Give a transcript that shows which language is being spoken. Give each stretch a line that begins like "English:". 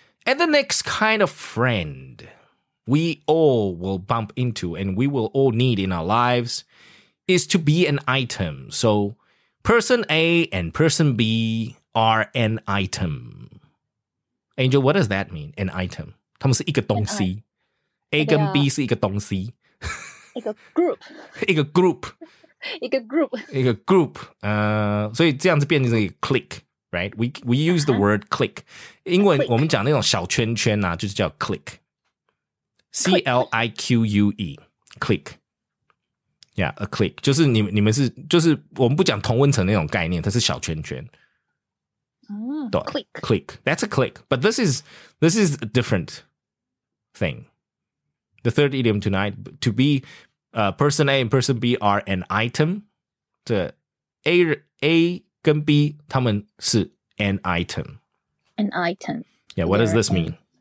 English: And the next kind of friend we all will bump into and we will all need in our lives is to be an item. So person A and person B are an item. Angel, what does that mean, an item?
Chinese: 他们是一个东西 A 跟 B 是一个东西一个 group 一个 group 一个 group 一个 group 所以这样子变成一个
English: click right we use the word click
Chinese: 因为我们讲那种小圈圈啊就是叫 click
English: C-L-I-Q-U-E click yeah a click
Chinese: 就是你们是就是我们不讲同温层那种概念它是小圈圈
English: click that's a click but this is a different thing the third idiom tonight to be person A and person B are an item the A
Chinese: 跟 B 他们是
English: an item yeah what does this mean